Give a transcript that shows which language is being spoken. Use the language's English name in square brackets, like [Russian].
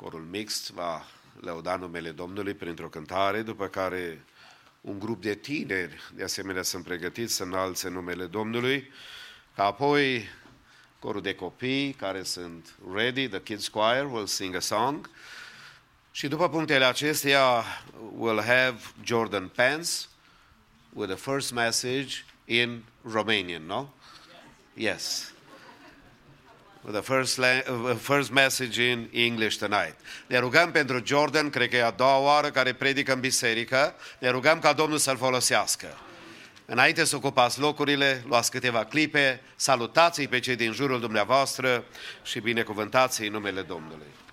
[Romanian] mixt va lăuda numele Domnului printr-o cântare, după care un grup de tineri, de asemenea, sunt pregătiți să înalțe numele Domnului, ca apoi corul de copii care sunt [English] ready, the kids choir will sing a song, [Romanian] și după punctele acestea [English] we'll have Jordan Pence with the first message in Romanian, no? Yes. The first message in English tonight. [Romanian] Ne rugăm pentru Jordan, cred că e a doua oară care predică în biserică. Ne rugăm ca Domnul să-l folosească. Înainte să ocupați locurile, luați câteva clipe, salutați-i pe cei din jurul dumneavoastră și binecuvântați-i numele Domnului.